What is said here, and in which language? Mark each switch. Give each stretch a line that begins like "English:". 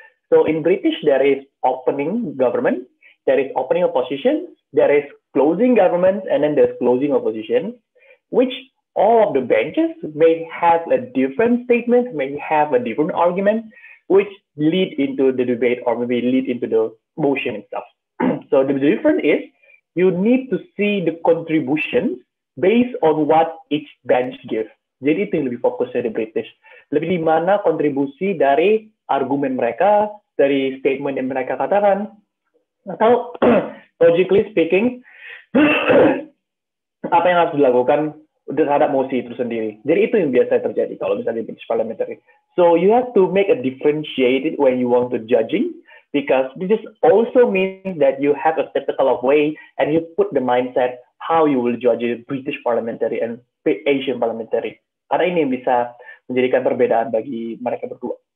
English: So in British, there is opening government, there is opening opposition, there is closing government, and then there's closing opposition, which all of the benches may have a different statement, may have a different argument, which lead into the debate or maybe lead into the motion itself. So the difference is you need to see the contribution based on what each bench gives.
Indonesian: Jadi itu yang lebih fokusnya di British. Lebih di mana kontribusi dari argumen mereka, dari statement yang mereka katakan. Atau
English: logically speaking,
Indonesian: apa yang harus dilakukan terhadap mosi itu sendiri. Jadi itu yang biasa terjadi kalau misalnya di British parliamentary.
English: So you have to make a differentiated when you want to judging, because this is also means that you have a typical of way and you put the mindset how you will judge the British parliamentary and Asian parliamentary.
Indonesian: Karena ini yang bisa menjadikan perbedaan bagi mereka berdua.